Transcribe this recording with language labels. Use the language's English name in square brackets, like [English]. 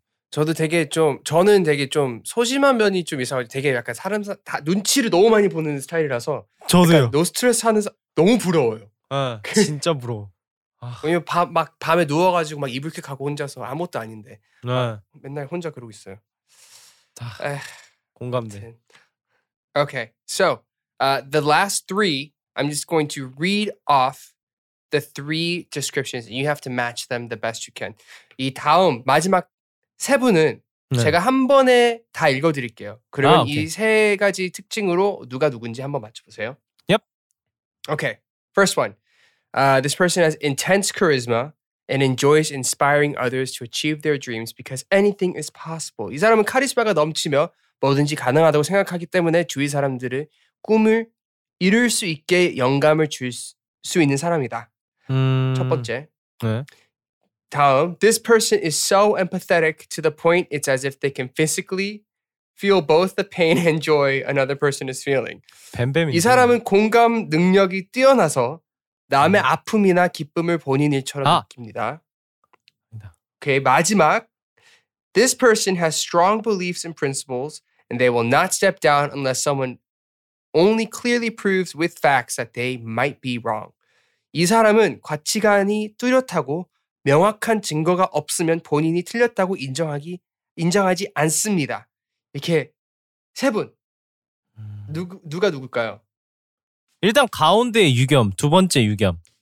[Korean] 저도 되게 좀 저는 되게 좀 소심한 면이 좀 이상하지. 되게 약간 사람 다 눈치를 너무 많이 보는 스타일이라서 저도요. 노 스트레스 하는 너무 부러워요. 네, 진짜 부러워. 왜냐 밤 막 밤에 누워가지고 막 이불 켜고 혼자서 아무것도 아닌데 네. 맨날 혼자 그러고 있어요. 다 공감돼. 하여튼. [English] Okay, so the last three, I'm just going to read off the three descriptions. And you have to match them the best you can. [Korean] 이 다음, 마지막 세 분은 네. 제가 한 번에 다 읽어드릴게요. 그러면 이 세 가지 특징으로 누가 누군지 한번 맞춰보세요. [English] Yep. Okay, first one. This person has intense charisma and enjoys inspiring others to achieve their dreams because anything is possible. [Korean] 이 사람은 카리스마가 넘치며 뭐든지 가능하다고 생각하기 때문에 주위 사람들을 꿈을 이룰 수 있게 영감을 줄 수 있는 사람이다. 첫 번째. 네. 다음. [English] This person is so empathetic to the point it's as if they can physically feel both the pain and joy another person is feeling. [Korean] 뱀뱀이. 이 사람은 공감 능력이 뛰어나서 남의 아픔이나 기쁨을 본인 일처럼 느낍니다. 오케이, 마지막. [English] This person has strong beliefs and principles and they will not step down unless someone only clearly proves with facts that they might be wrong. [Korean] 이 사람은 가치관이 뚜렷하고 명확한 증거가 없으면 본인이 틀렸다고 인정하기 인정하지 않습니다. 이렇게 세 분. 누가 누굴까요? 일단 가운데 유겸. 두 번째 유겸.